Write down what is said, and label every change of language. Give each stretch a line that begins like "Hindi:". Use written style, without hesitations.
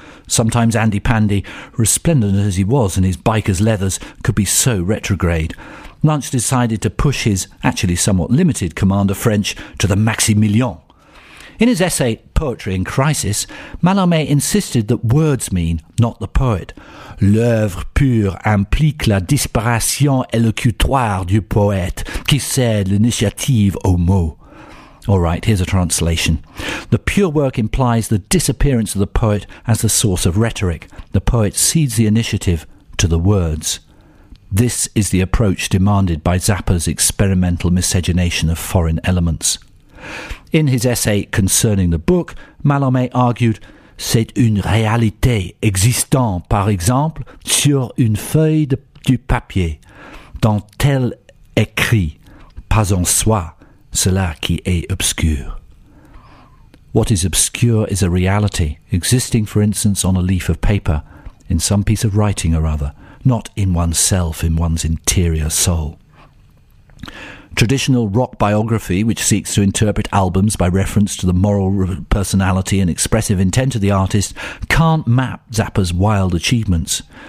English: Sometimes Andy Pandy, resplendent as he was in his biker's leathers, could be so retrograde. Lunch decided to push his, actually somewhat limited, command of French to the Maximilien. In his essay, Poetry in Crisis, Mallarmé insisted that words mean, not the poet.
French: L'œuvre pure implique la disparition élocutoire du poète qui cède l'initiative aux mots.
English: All right, here's a translation. The pure work implies the disappearance of the poet as the source of rhetoric. The poet cedes the initiative to the words. This is the approach demanded by Zappa's experimental miscegenation of foreign elements. In his essay Concerning the Book, Mallarmé argued,
French: c'est une réalité existant, par exemple, sur une feuille du papier, dans tel écrit, pas en soi. Cela qui est obscur.
English: What is obscure is a reality, existing, for instance, on a leaf of paper, in some piece of writing or other, not in oneself, in one's interior soul. Traditional rock biography, which seeks to interpret albums by reference to the moral personality and expressive intent of the artist, can't map Zappa's wild achievements.